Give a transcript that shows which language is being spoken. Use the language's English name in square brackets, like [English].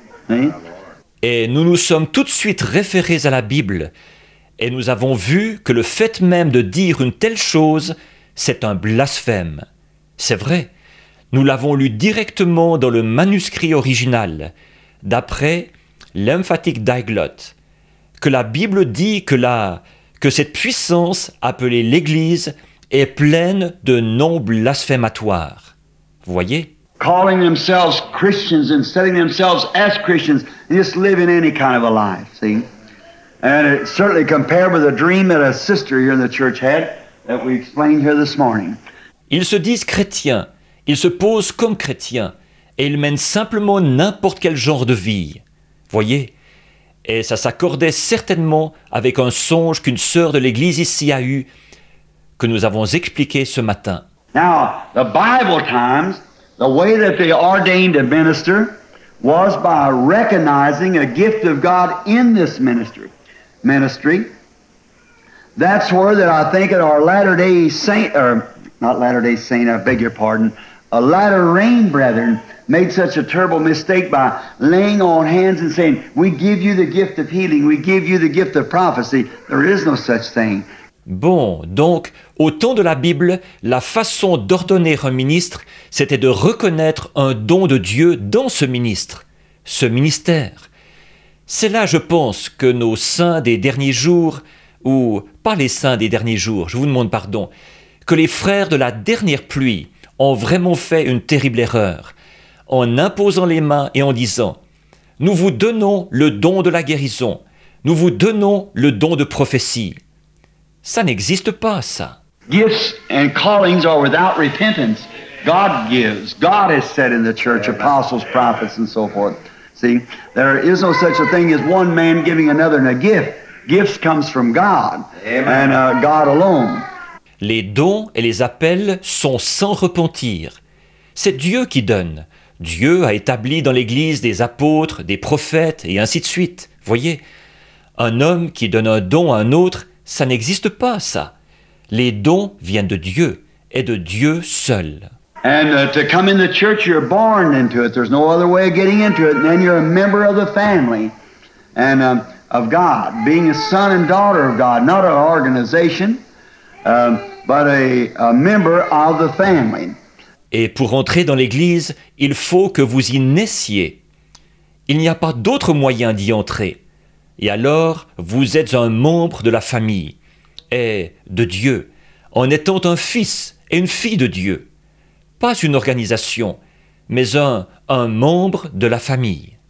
[French] Hein? Et nous nous sommes tout de suite référés à la Bible. Et nous avons vu que le fait même de dire une telle chose, c'est un blasphème. C'est vrai, nous l'avons lu directement dans le manuscrit original, d'après l'emphatic diglot, que la Bible dit que cette puissance appelée l'Église est pleine de noms blasphématoires. Vous voyez ? [English] Calling themselves Christians and setting themselves as Christians, just living any kind of a life, see? And it certainly compared with a dream that a sister here in the church had that we explained here this morning. [French] Ils se disent chrétiens, ils se posent comme chrétiens, et ils mènent simplement n'importe quel genre de vie. Voyez, et ça s'accordait certainement avec un songe qu'une sœur de l'église ici a eu, que nous avons expliqué ce matin. [English] Now, the Bible times, the way that they ordained a minister was by recognizing a gift of God in this ministry. That's where that I think at our Latter-day Saint, or not Latter-day Saint, I beg your pardon, a Latter Rain brethren made such a terrible mistake by laying on hands and saying, we give you the gift of healing, we give you the gift of prophecy. There is no such thing. [French] Bon, donc, au temps de la Bible, la façon d'ordonner un ministre, c'était de reconnaître un don de Dieu dans ce ministre, ce ministère. C'est là, je pense, que nos saints des derniers jours, ou pas les saints des derniers jours, je vous demande pardon, que les frères de la dernière pluie ont vraiment fait une terrible erreur, en imposant les mains et en disant, « Nous vous donnons le don de la guérison, nous vous donnons le don de prophétie. » Ça n'existe pas, ça. [English] Gifts and callings are without repentance. God gives. God has said in the church, apostles, prophets, and so forth. See, there is no such a thing as one man giving another a gift. Gifts comes from God. Amen. And God alone. [French] Les dons et les appels sont sans repentir. C'est Dieu qui donne. Dieu a établi dans l'Église des apôtres, des prophètes, et ainsi de suite. Voyez, un homme qui donne un don à un autre, ça n'existe pas, ça. Les dons viennent de Dieu et de Dieu seul. [English] And to come in the church, you're born into it. There's no other way of getting into it. And then you're a member of the family and of God, being a son and daughter of God, not an organization, but a member of the family. [French] Et pour entrer dans l'église, il faut que vous y naissiez. Il n'y a pas d'autre moyen d'y entrer. Et alors, vous êtes un membre de la famille et de Dieu, en étant un fils et une fille de Dieu. Pas une organisation, mais un membre de la famille.